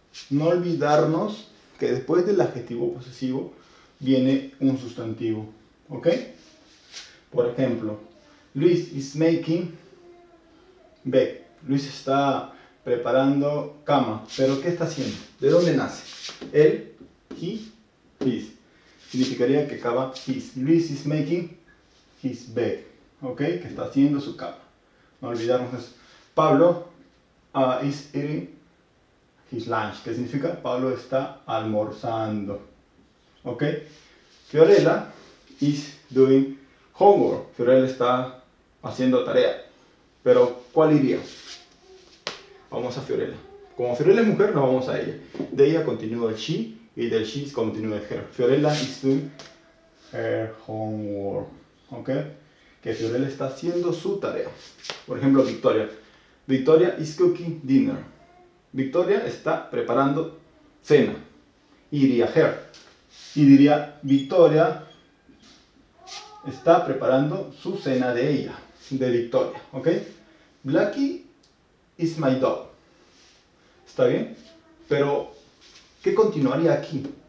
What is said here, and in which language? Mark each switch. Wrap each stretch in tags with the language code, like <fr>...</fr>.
<es>No olvidarnos que después del adjetivo posesivo viene un sustantivo, ¿ok? Por ejemplo,</es> <en>Luis is making bed.</en> <es>Luis está preparando cama, pero ¿qué está haciendo? ¿De dónde nace? Él, he, his. Significaría que acaba his.</es> <en>Luis is making his bed, ¿ok?</en> <es>Que está haciendo su cama. No olvidarnos eso.</es> <en>Pablo is eating his lunch,</en> <es>que significa Pablo está almorzando. ¿Ok?</es> <en>Fiorella is doing homework.</en> <es>Fiorella está haciendo tarea. Pero, ¿cuál iría? Vamos a Fiorella. Como Fiorella es mujer, nos vamos a ella. De ella continúa el she y del she continúa el her.</es> <en>Fiorella is doing her homework. ¿Ok?</en> <es>Que Fiorella está haciendo su tarea. Por ejemplo, Victoria.</es> <en>Victoria is cooking dinner.</en> <es>Victoria está preparando cena. Iría her. Y diría, Victoria está preparando su cena de ella, de Victoria. ¿Ok?</es> <en>Blackie is my dog.</en> <es>¿Está bien? Pero, ¿qué continuaría aquí?</es>